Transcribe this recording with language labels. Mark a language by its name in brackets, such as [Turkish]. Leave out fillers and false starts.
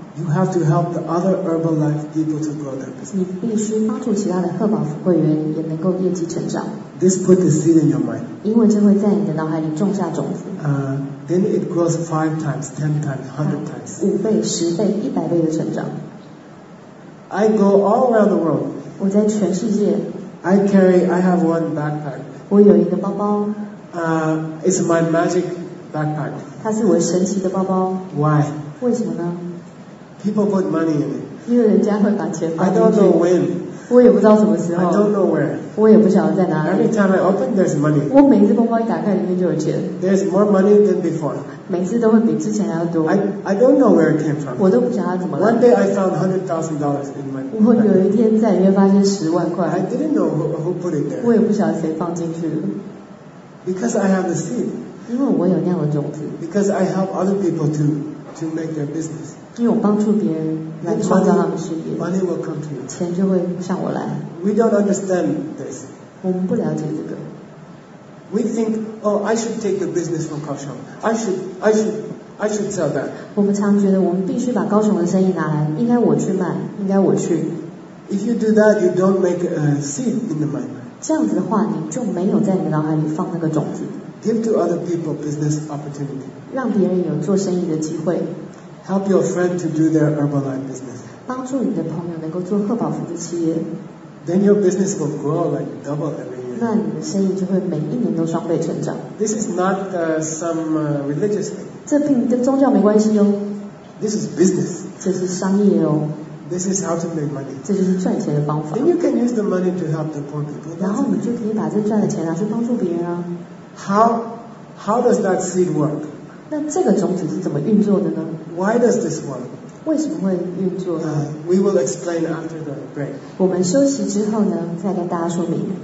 [English] you have to help the other Herbalife people to grow their business. [Chinese] 你必须帮助其他的赫宝福会员也能够业绩成长。 [English] This put the seed in your mind. [Chinese] 因为这会在你的脑海里种下种子。 [English] Then it grows 5 times, 10 times, 100 times. [Chinese] 五倍、十倍、一百倍的成长。 [English] I go all around the world. [Chinese] 我在全世界。 [English] I have one backpack. [Chinese] 我有一个包包。 [English] It's my magic backpack. [Chinese] 它是我神奇的包包。 [English] Why? [Chinese] 为什么呢？ [English] People put money in it. [Chinese] 因为人家会把钱放进去。 [English] I don't know when. [Chinese] 我也不知道什么时候。 [English] I don't know where. [Chinese] 我也不晓得在哪里。 [English] Every time I open, there's money. [Chinese] 我每次包包一打开，里面就有钱。 [English] There's more money than before. [Chinese] 每次都会比之前还要多。 [English] I don't know where it came from. [Chinese] 我都不晓得怎么来。 [English] One day I found $100,000 in my. [Chinese] 我有一天在里面发现10万块。 [English] I didn't know who put it there. [Chinese] 我也不晓得谁放进去了。 [English] Because I have the seed. [Chinese] 因为我有那样的种子。 [English] Because I help other people to make their business. [Chinese] 因为我帮助别人来创造他们事业， [English] money will come to you. [Chinese] 钱就会向我来。 [English] We don't understand this. [Chinese] 我们不了解这个。 [English] We think, oh, I should take the business from Kaohsiung. I should sell that. [Chinese] 我们常觉得我们必须把高雄的生意拿来，应该我去卖，应该我去。 [English] If you do that, you don't make a seed in the mind. [Chinese] 这样子的话，你就没有在你的脑海里放那个种子。 [English] Give to other people business opportunity. [Chinese] 让别人有做生意的机会。 [English] Help your friend to do their Herbalife business. [Chinese] 帮助你的朋友能够做赫宝福的企业。 [English] Then your business will grow like double every year. [Chinese] 那你的生意就会每一年都双倍成长。 [English] This is not some religious thing. [Chinese] 这并跟宗教没关系哦。 [English] This is business. [Chinese] 这是商业哦。 [English] This is how to make money. [Chinese] 这就是赚钱的方法。 [English] Then you can use the money to help the poor people. [Chinese] 然后你就可以把这赚的钱拿去帮助别人啊。 [English] How does that seed work? [Chinese] 那这个种子是怎么运作的呢？ [English] Why does this work? [Chinese] 为什么会运作呢？ [English] We will explain after the break. [Chinese] 我们休息之后呢，再跟大家说明。